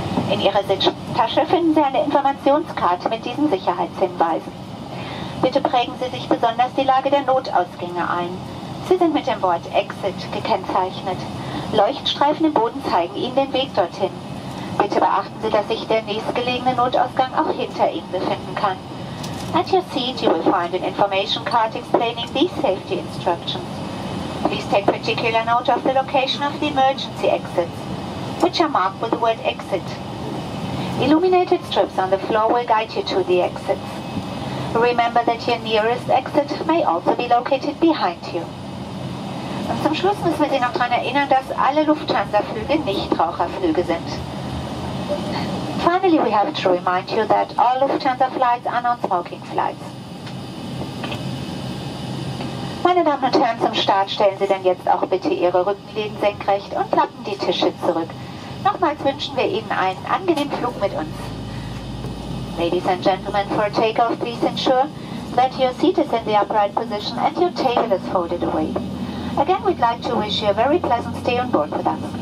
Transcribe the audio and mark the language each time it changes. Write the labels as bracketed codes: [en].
[de] In Ihrer Sitztasche finden Sie eine Informationskarte mit diesen Sicherheitshinweisen. Bitte prägen Sie sich besonders die Lage der Notausgänge ein. Sie sind mit dem Wort Exit gekennzeichnet. Leuchtstreifen im Boden zeigen Ihnen den Weg dorthin. Bitte beachten Sie, dass sich der nächstgelegene Notausgang auch hinter Ihnen befinden kann. [en] At your seat you will find an information card explaining these safety instructions. Please take particular note of the location of the emergency exits, which are marked with the word exit. Illuminated strips on the floor will guide you to the exits. Remember that your nearest exit may also be located behind you. [de] Und zum Schluss müssen wir Sie noch daran erinnern, dass alle Lufthansa-Flüge Nichtraucherflüge sind. [en] Finally, we have to remind you that all Lufthansa flights are non-smoking flights. [de] Meine Damen und Herren, zum Start stellen Sie dann jetzt auch bitte Ihre Rückenlehnen senkrecht und klappen die Tische zurück. Nochmals wünschen wir Ihnen einen angenehmen Flug mit uns. [en] Ladies and gentlemen, for takeoff, please ensure that your seat is in the upright position and your table is folded away. Again, we'd like to wish you a very pleasant stay on board with us.